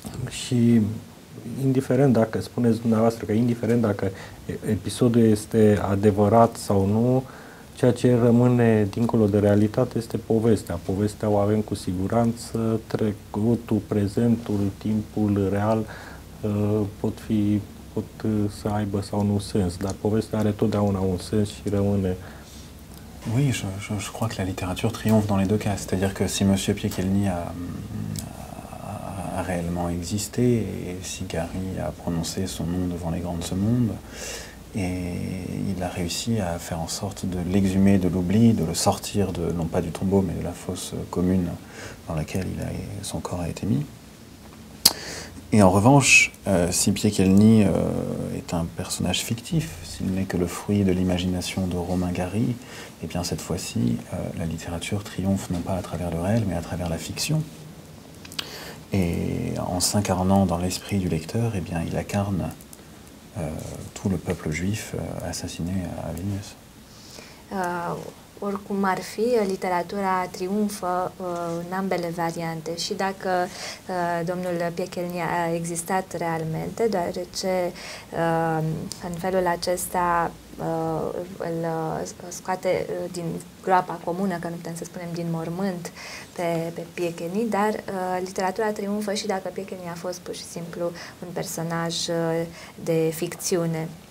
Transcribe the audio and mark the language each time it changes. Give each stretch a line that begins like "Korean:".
Romanian: Și indiferent dacă spuneți dumneavoastră că indiferent dacă episodul este adevărat sau nu, ceea ce rămâne dincolo de realitate este povestea. Povestea o avem cu siguranță, trecutul, prezentul, timpul real pot să aibă sau nu sens, dar povestea are totdeauna un sens și rămâne.
French: Oui, je crois que la littérature triomphe dans les deux cas, c'est-à-dire que si monsieur Pielcheni a réellement existé et si Gary a prononcé son nom devant les grands de ce monde, et il a réussi à faire en sorte de l'exhumer de l'oubli, de le sortir de, non pas du tombeau, mais de la fosse commune dans laquelle son corps a été mis. Et en revanche, si Pielcheni est un personnage fictif, s'il n'est que le fruit de l'imagination de Romain Gary, eh bien cette fois-ci, la littérature triomphe non pas à travers le réel, mais à travers la fiction. Et en s'incarnant dans l'esprit du lecteur, eh bien il incarne tout le peuple juif assassiné à Vilnius.
Romanian: Oricum ar fi, literatura triumfă în ambele variante. Și dacă domnul Piekielny a existat realmente, deoarece în felul acesta îl scoate din groapa comună, că nu putem să spunem din mormânt, pe Piekielny, dar literatura triumfă și dacă Piekielny a fost pur și simplu un personaj de ficțiune.